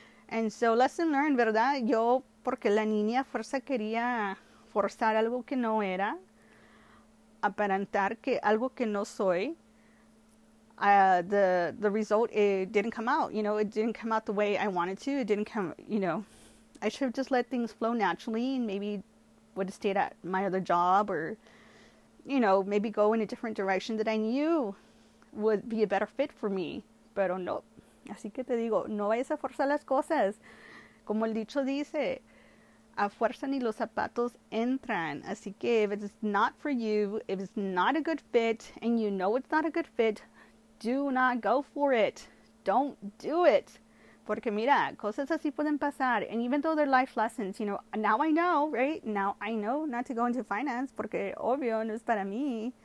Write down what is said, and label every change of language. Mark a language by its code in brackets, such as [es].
[en] And so lesson learned, [es] ¿verdad? Yo, porque la niña fuerza quería forzar algo que no era, aparentar que algo que no soy, [en] the result, it didn't come out, you know, it didn't come out the way I wanted to. It didn't come, you know, I should have just let things flow naturally and maybe would have stayed at my other job or, you know, maybe go in a different direction that I knew would be a better fit for me, [es] pero no. Así que te digo, no vayas a forzar las cosas. Como el dicho dice, a fuerza ni los zapatos entran. Así que [en] if it's not for you, if it's not a good fit, and you know it's not a good fit, do not go for it. Don't do it. [es] Porque mira, cosas así pueden pasar. [en] And even though they're life lessons, you know, now I know, right? Now I know not to go into finance [es] porque obvio no es para mí.